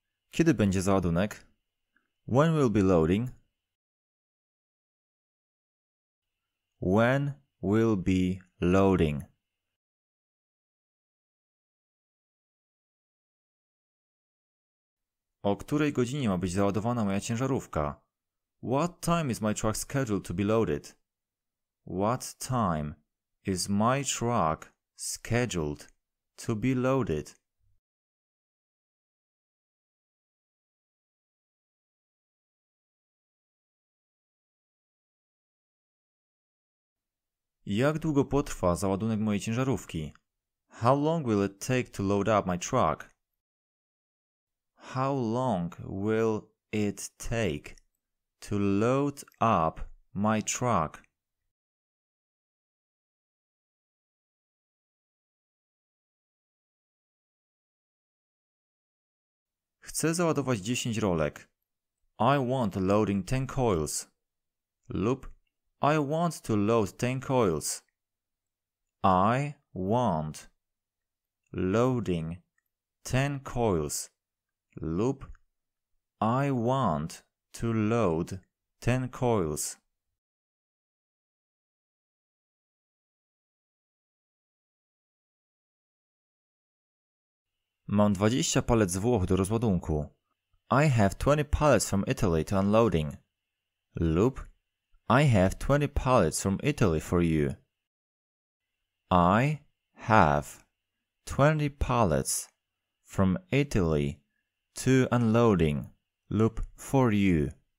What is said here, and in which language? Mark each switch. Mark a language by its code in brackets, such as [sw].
[pl] Kiedy będzie załadunek? [en] When will be loading? When will be loading? [pl] O której godzinie ma być załadowana moja ciężarówka? [en] What time is my truck scheduled to be loaded? What time is my truck scheduled to be loaded? [pl] Jak długo potrwa załadunek mojej ciężarówki? [en] How long will it take to load up my truck? How long will it take to load up my truck? [pl] Chcę załadować 10 rolek. [en] I want loading 10 coils. Lub I want to load 10 coils. I want loading 10 coils. Lub I want to load 10 coils. [pl] Mam 20 palet z Włoch do rozładunku. [en] I have 20 palets from Italy to unloading. Lub I have 20 pallets from Italy for you. I have 20 pallets from Italy to unloading loop for you.